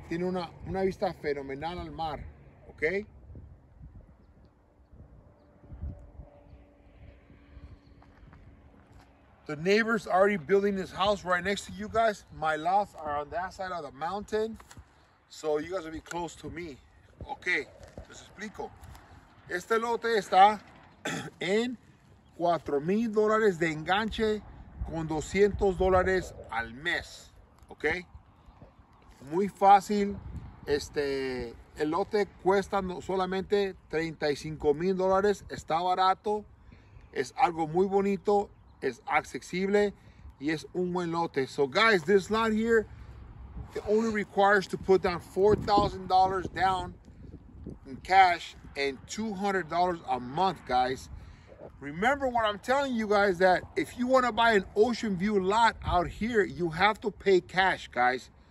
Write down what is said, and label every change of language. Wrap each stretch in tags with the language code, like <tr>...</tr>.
<es>Tiene una vista fenomenal al mar. ¿Ok?</es> <en>The neighbors already building this house right next to you guys. My lots are on that side of the mountain. So you guys will be close to me.</en> <es>Ok, les explico. Este lote está en $4,000 de enganche con $200 al mes. Ok, muy fácil. Este, el lote cuesta solamente $35,000. Está barato, es algo muy bonito, es accesible y es un buen lote.</es> <en>So guys, this lot here, it only requires to put down $4,000 down in cash and $200 a month, guys. Remember what I'm telling you guys, that if you want to buy an ocean view lot out here, you have to pay cash, guys.</en>